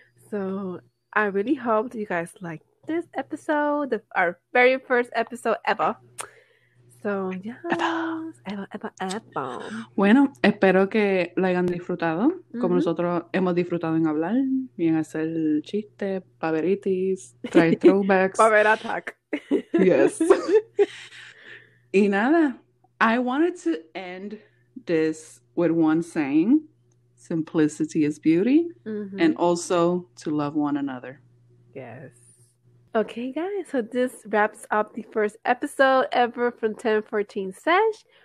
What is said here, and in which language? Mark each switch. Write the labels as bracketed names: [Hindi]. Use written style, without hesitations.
[English] So, I really hope you guys like this episode, our very first episode ever. So, yeah. Ever. [Spanish] Bueno, espero que la hayan disfrutado, como mm-hmm. nosotros hemos disfrutado en hablar, y en hacer chistes, paveritis, try throwbacks. [English] Paver attack. Yes. [Spanish] Y nada, [English] I wanted to end this with one saying, simplicity is beauty, mm-hmm. and also to love one another. Yes. Okay, guys, so this wraps up the first episode ever from 1014 Sesh.